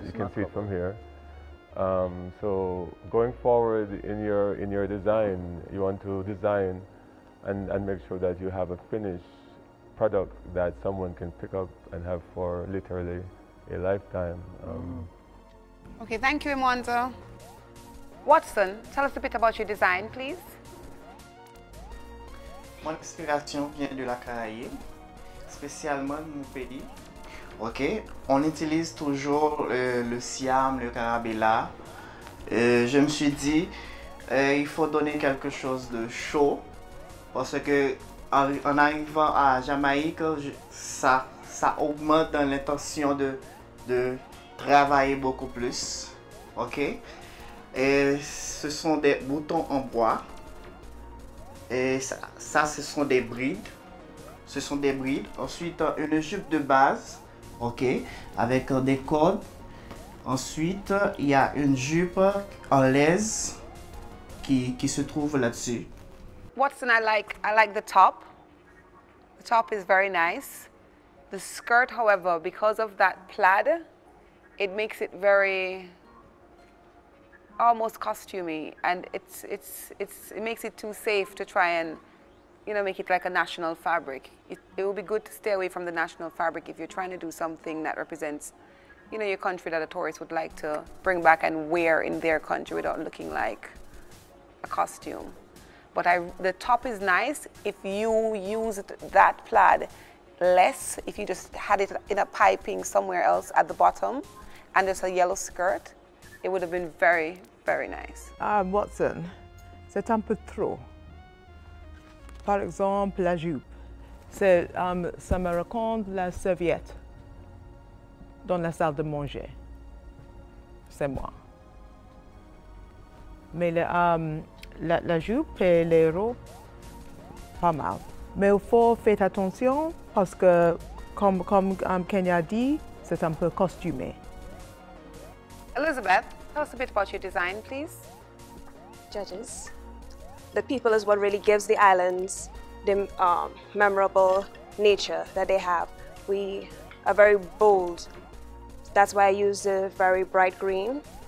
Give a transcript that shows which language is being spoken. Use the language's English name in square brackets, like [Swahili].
[English] It's you can see covered. It from here. So going forward in your design, you want to design and make sure that you have a finished product that someone can pick up and have for literally a lifetime. Okay, thank you, Imwanzo. Watson, tell us a bit about your design, please. [French] Mon inspiration vient de la Caraïbe, spécialement de mon pays. Ok, on utilise toujours le siam, le carabella. Je me suis dit, il faut donner quelque chose de chaud, parce que en arrivant à Jamaïque, ça augmente dans l'intention de travailler beaucoup plus. Ok, et ce sont des boutons en bois. Et ça ce sont des brides. Ce sont des brides. Ensuite, une jupe de base. Ok, avec des cordes. Ensuite, il y a une jupe en laise qui se trouve là-dessus. [English] Watson, I like the top. The top is very nice. The skirt, however, because of that plaid, it makes it very almost costumey, and it makes it too safe to try and, you know, make it like a national fabric. It would be good to stay away from the national fabric if you're trying to do something that represents, you know, your country that a tourist would like to bring back and wear in their country without looking like a costume. But the top is nice. If you used that plaid less, if you just had it in a piping somewhere else at the bottom and there's a yellow skirt, it would have been very, very nice. [French] Watson, c'est un peu trop. Par exemple, la jupe, ça me raconte la serviette dans la salle de manger. C'est moi. Mais la jupe et les robes, pas mal. Mais il faut faire attention parce que, comme Kenya dit, c'est un peu costumé. [English] Elizabeth, tell us a bit about your design, please. Judges, the people is what really gives the islands the memorable nature that they have. We are very bold. That's why I use the very bright green.